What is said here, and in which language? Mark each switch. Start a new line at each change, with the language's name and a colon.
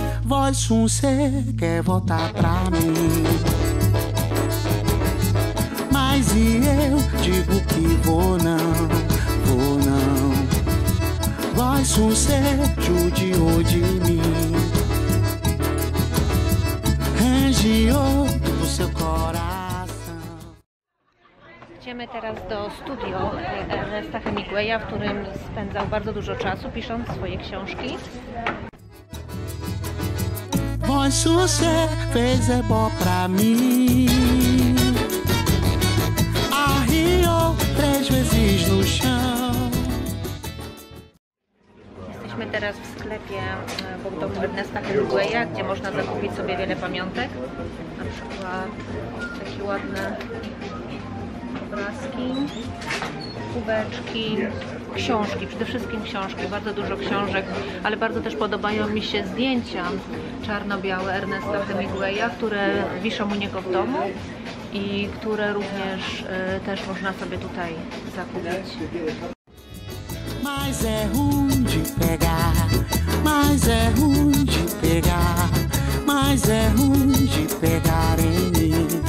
Portuguese: Voz sunsê quer voltar pra mim, mas e eu digo que vou não. Voz sunsê judiou de mim, rangiou do seu coração.
Polish: Idziemy teraz do studio Ernesta Hemingwaya, w którym spędzał bardzo dużo czasu pisząc swoje książki.
Portuguese: Voz sunsê fez ebó pra mim, arriou três vezes no chão.
Polish: Jesteśmy teraz w sklepie w domu Ernesta Hemingwaya, gdzie można zakupić sobie wiele pamiątek. Na przykład takie ładne obrazki, kubeczki, książki, przede wszystkim książki, bardzo dużo książek, ale bardzo też podobają mi się zdjęcia czarno-białe Ernesta Hemingwaya, które wiszą u niego w domu i które również też można sobie tutaj zakupić.
Portuguese: Mas é ruim de pegar, mas é ruim de pegar, mas é ruim de pegar em mim.